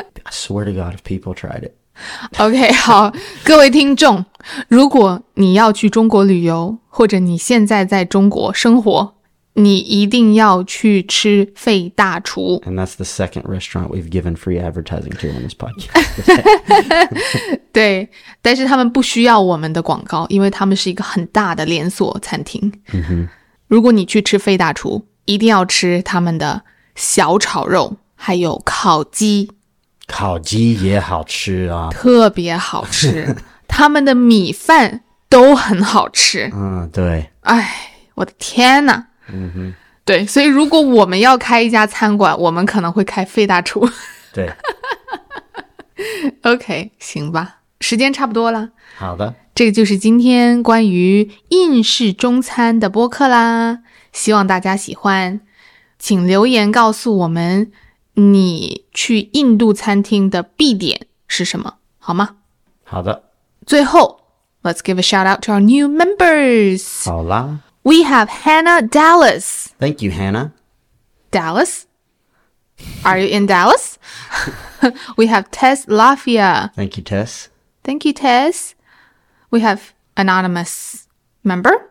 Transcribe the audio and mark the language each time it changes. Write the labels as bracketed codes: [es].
[en] I swear to God if people tried it. [zh] OK, 好，各位听众，如果你要去中国旅游，或者你现在在中国生活，你一定要去吃费大厨。 [en] And that's the second restaurant we've given free advertising to on this podcast. [zh] 对，但是他们不需要我们的广告，因为他们是一个很大的连锁餐厅、 mm-hmm. 如果你去吃费大厨，一定要吃他们的小炒肉，还有烤鸡。烤鸡也好吃啊，特别好吃。他们的米饭都很好吃。嗯，对。哎，我的天哪。嗯哼，对，所以如果我们要开一家餐馆，我们可能会开费大厨。对。 OK, 行吧，时间差不多了。好的，这个就是今天关于印式中餐的播客啦，希望大家喜欢，请留言告诉我们你去印度餐厅的必点是什么，好吗？好的。最后 [en] Let's give a shout out to our new members. [zh] 好啦， [en] We have Hannah Dallas. Thank you, Hannah. Dallas? Are you in Dallas? We have Tess Lafia. Thank you, Tess. Thank you, Tess. We have Anonymous member.